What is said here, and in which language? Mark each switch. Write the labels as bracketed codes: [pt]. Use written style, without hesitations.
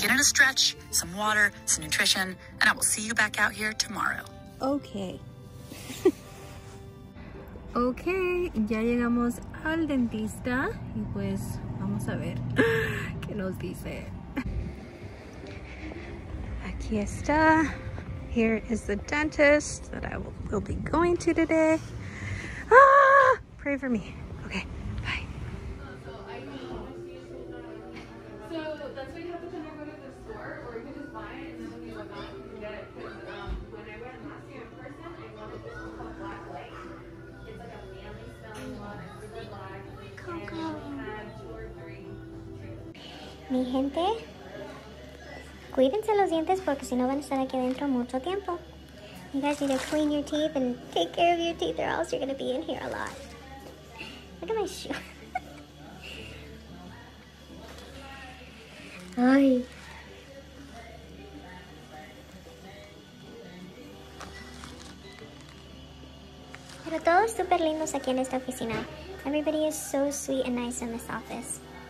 [en] Get in a stretch, some water, some nutrition, and I will see you back out here tomorrow. Okay. [es] Okay, ya llegamos al dentista y pues vamos a ver qué nos dice. Aquí está. [en] Here is the dentist that I will be going to today. Ah, pray for me. Okay. So, that's why you have to kind of go to the store, or you can just buy it, and then when you look out, you can get it. Because when I went last year in person, I wanted this one called Black Lake. It's like a manly smelling one. It's really black. Coco. And we have two or three. [es] Mi gente, cuídense los dientes porque si no van a estar aquí adentro mucho tiempo. [en] You guys need to clean your teeth and take care of your teeth or else you're going to be in here a lot. Look at my shoe. Ay. [es] Pero todos super lindos aquí en esta oficina. [en] Everybody is so sweet and nice in this office.